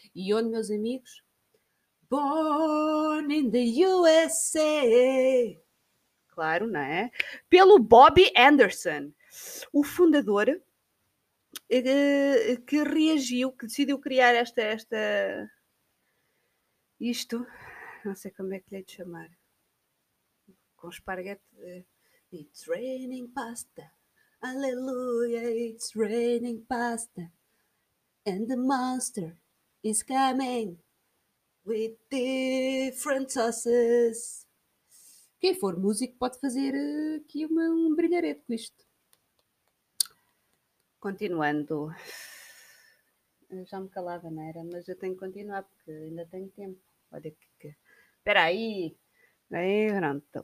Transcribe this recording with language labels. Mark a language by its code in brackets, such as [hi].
[pt] E onde, meus amigos? [en] Born in the USA! [pt] claro, não é? Pelo Bobby Anderson, o fundador que reagiu, que decidiu criar esta isto, não sei como é que lhe hei de chamar, com esparguete. [en] It's raining pasta, aleluia, it's raining pasta, and the monster is coming with different sauces. [pt] Quem for músico pode fazer aqui um brilharete com isto. Continuando. Eu já me calava, não era? Mas eu tenho que continuar porque ainda tenho tempo. Olha que... Espera aí. Aí, pronto.